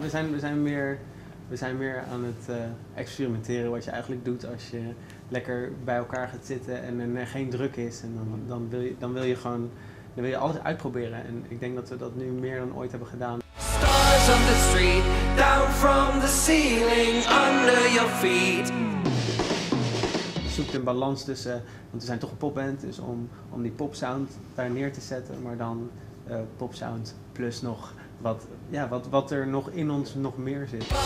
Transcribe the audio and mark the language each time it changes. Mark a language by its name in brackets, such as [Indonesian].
[Dutch] We zijn weer aan het experimenteren wat je eigenlijk doet als je lekker bij elkaar gaat zitten en er geen druk is. En dan wil je alles uitproberen. En ik denk dat we dat nu meer dan ooit hebben gedaan. [English] Stars on the street, down from the ceiling, under your feet. [Dutch] Zoek een balans tussen, want we zijn toch een popband, dus om die popsound daar neer te zetten, maar dan popsound plus nog. Wat er nog in ons nog meer zit.